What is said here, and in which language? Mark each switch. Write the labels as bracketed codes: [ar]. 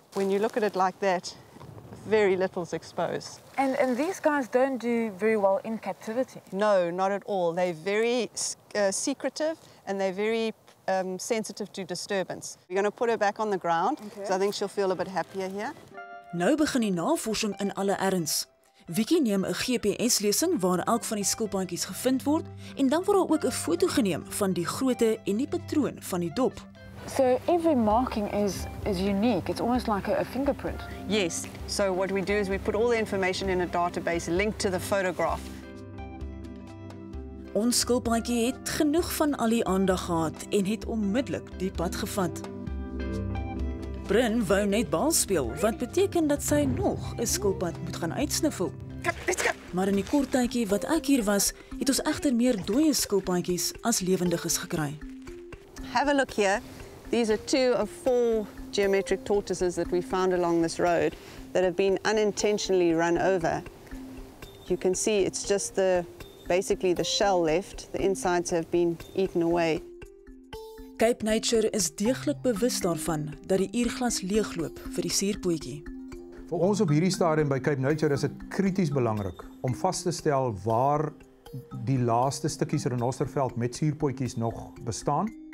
[en] When you look at it like that, very little's exposed. And these guys don't do very well in captivity. No, not at all. They're very secretive and they're very sensitive to disturbance. We're going to put her back on the ground. Okay. So I think she'll feel a bit happier here. [af] Nou begin die navorsing in alle erns. Vicky neem 'n GPS-lesing waar elk van die skulpaantjies gevind word en dan word daar ook 'n foto geneem van die grootte en die patroon van die dop. [en] So every marking is unique. It's almost like a fingerprint. Yes. So what we do is we put all the information in a database linked to the photograph. [af] Ons skulpaantjie het genoeg van al die aandag gehad en het onmiddellik die pad gevat. Brin wou net bal speel, wat beteken dat sy nog 'n skulpad moet gaan uitsniffel. Maar in die kort tydjie wat ek hier was, het ons egter meer dooie skulpaantjies as lewendiges gekry. [en] Have a look here. These are two of four geometric tortoises that we found along this road that have been unintentionally run over. You can see it's just the shell left. The insides have been eaten away. [af] Cape Nature is deeglik bewus daarvan dat die uurglas leegloop vir die sierpoetjie. Vir ons op hierdie stadium by Cape Nature is dit krities belangrik om vas te stel waar die laaste stukkies renosterveld met sierpoetjies nog bestaan.